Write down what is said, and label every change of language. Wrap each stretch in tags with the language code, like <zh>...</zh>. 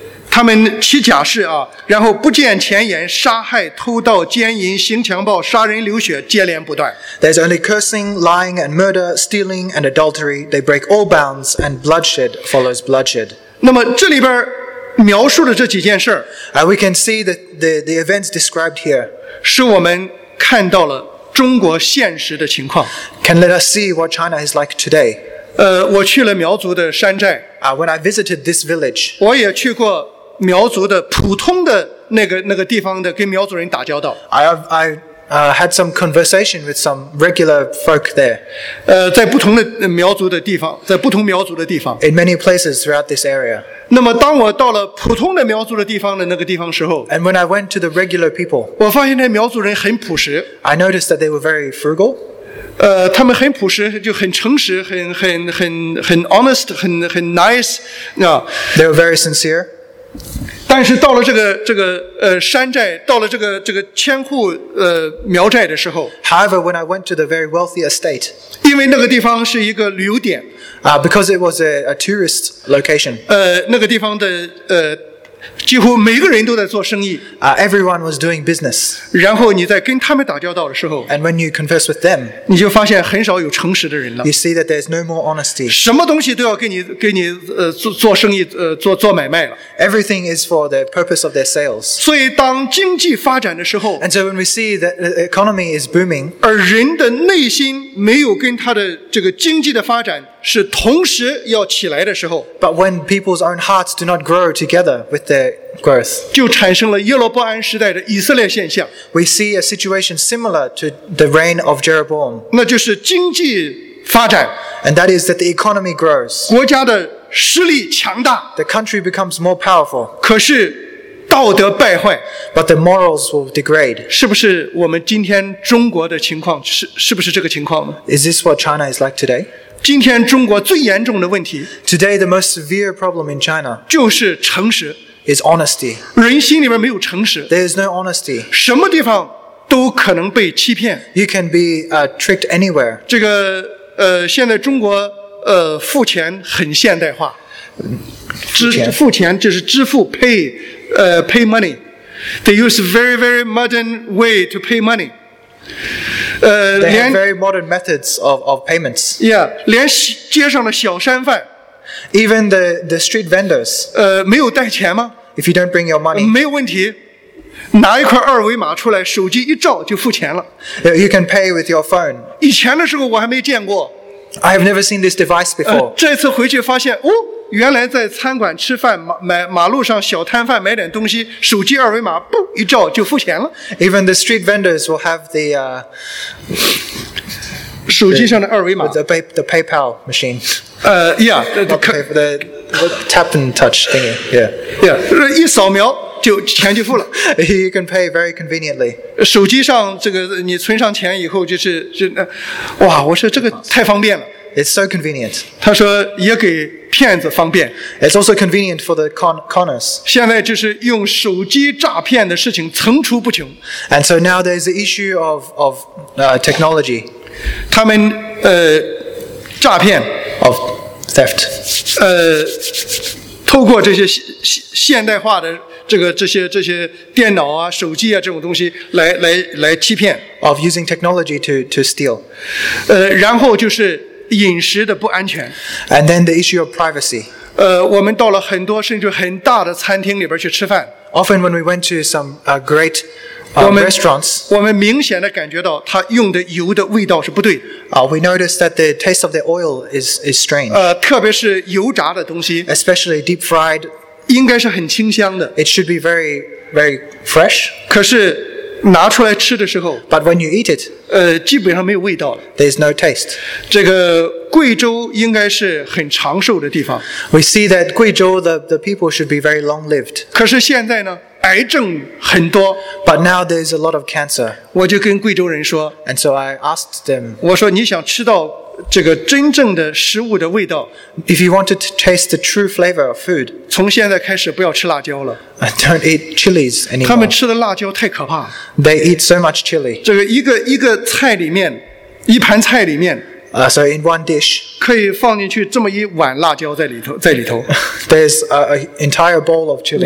<zh>他们起假誓啊，然后不见前言，杀害、偷盗、奸淫、行强暴、杀人流血，接连不断。</zh> <en>There's only cursing, lying, and murder, stealing, and adultery. They break all bounds, and bloodshed follows bloodshed.</en> <zh>那么这里边描述的这几件事</zh> <en>we can see that the events described here</en> <zh>是我们看到了中国现实的情况。</zh> <en>Can let us see what China is like today.</en> <zh>我去了苗族的山寨。</zh> <en>When I visited this village,</en> <zh>我也去过苗族的普通的那个地方的跟苗族人打交道。</zh> <en>I had some conversation with some regular folk there.</en> <zh>在不同的苗族的地方，在不同苗族的地方。</zh> <en>In many places throughout this area.</en> <zh>那么当我到了普通的苗族的地方的那个地方时候</zh> <en>，And when I went to the regular people,</en> <zh>我发现那苗族人很朴实。</zh> <en>I noticed that they were very frugal.</en> <zh>他们很朴实，就很诚实，很</zh> <en>honest,</en> <zh>很</zh> <en>nice. They were very sincere.</en> <zh>但是到了这个山寨，到了这个千户苗寨的时候</zh> <en>，However, when I went to the very wealthy estate,</en> <zh>因为那个地方是一个旅游点</zh> <en>，because it was a tourist location,</en> <zh>那个地方的几乎每个人都在做生意</zh> <en>，everyone was doing business.</en> <zh>然后你在跟他们打交道的时候</zh> <en>，and when you converse with them,</en> <zh>你就发现很少有诚实的人了</zh> <en>，you see that there's no more honesty.</en> <zh>什么东西都要给你做生意做买卖了</zh> <en>，everything is for the purpose of their sales.</en> <zh>所以当经济发展的时候</zh> <en>，and so when we see that the economy is booming,</en> <zh>而人的内心没有跟他的这个经济的发展。是同时要起来的时候</zh> <en>，But when people's own hearts do not grow together with their growth，</en> <zh>就产生了耶罗波安时代的以色列现象。</zh> <en>We see a situation similar to the reign of Jeroboam，</en> <zh>那就是经济发展</zh> <en>，And that is that the economy grows，</en> <zh>国家的实力强大</zh> <en>，The country becomes more powerful，</en> <zh>可是道德败坏</zh> <en>，But the morals will degrade，</en> <zh>是不是我们今天中国的情况是不是这个情况呢</zh> <en>？Is this what China is like today？</en> <zh>今天中国最严重的问题</zh> <en>，Today the most severe problem in China</en> <zh>就是诚实</zh> <en>，is honesty。</en> <zh>人心里面没有诚实</zh> <en>，there is no honesty。</en> <zh>什么地方都可能被欺骗</zh> <en>，you can be tricked anywhere。</en> <zh>这个现在中国付钱很现代化，付钱就是支付</zh> <en>pay money。 They use very very modern way to pay money。 They have very modern methods of payments. Yeah,</en> <zh>连街上的小商贩</zh> <en>even the street vendors.</en> <zh>没有带钱吗</zh> <en>？If you don't bring your money,</en> <zh>没有问题，拿一块二维码出来，手机一照就付钱了。</zh> <en>You can pay with your phone.</en> <zh>以前的时候我还没见过。</zh> <en>I have never seen this device before.</en> <zh>这次回去发现，哦，原来在餐馆吃饭，马路上小摊贩买点东西，手机二维码，噗一照就付钱了。</zh> <en>Even the street vendors will have the</en> <zh>手机上的二维码。</zh> <en>The PayPal machine. Yeah. The tap and touch thingy. Yeah. Yeah.</en> <zh>一扫描就钱就付了。</zh> <en>You can pay very conveniently.</en> <zh>手机上这个你存上钱以后就是，哇！我说这个太方便了。</zh> <en>It's so convenient.</en> <zh>他说也给骗子方便。</zh> <en>It's also convenient for the conners.</en> <zh>现在就是用手机诈骗的事情层出不穷。</zh> <en>And so now there's the issue of technology.</en> <zh>他们诈骗</zh> <en>of theft.</en> <zh>透过这些现代化的这些电脑啊、手机啊这种东西来欺骗</zh> <en>of using technology to steal.</en> <zh>然后就是。饮食的不安全</zh> <en>，and then the issue of privacy。</en> <zh>我们到了很多甚至很大的餐厅里边去吃饭</zh> <en>，often when we went to some great restaurants，</en> <zh>我们明显的感觉到他用的油的味道是不对。</zh> <en>We noticed that the taste of the oil is strange。</en> <zh>特别是油炸的东西</zh> <en>，especially deep fried，</en> <zh>应该是很清香的</zh> <en>，it should be very very fresh。</en> <zh>可是拿出来吃的时候</zh> <en>，But when you eat it，</en> <zh>基本上没有味道了。</zh> <en>There's no taste。</en> <zh>这个贵州应该是很长寿的地方。</zh> <en>We see that 贵州 the people should be very long lived。</en> <zh>可是现在呢，癌症很多。</zh> <en>But now there's a lot of cancer。</en> <zh>我就跟贵州人说</zh> <en>，And so I asked them。</en> <zh>我说你想吃到这个真正的食物的味道</zh> <en>，If you wanted to taste the true flavor of food，</en> <zh>从现在开始不要吃辣椒了。</zh> <en>Don't eat chilies anymore.</en> <zh>他们吃的辣椒太可怕。</zh> <en>They eat so much chili.</en> <zh>这个一个菜里面，一盘菜里面。</zh> <en>So in one dish.</en> <zh>可以放进去这么一碗辣椒在里头。</zh> <en>There's an entire bowl of chili.</en>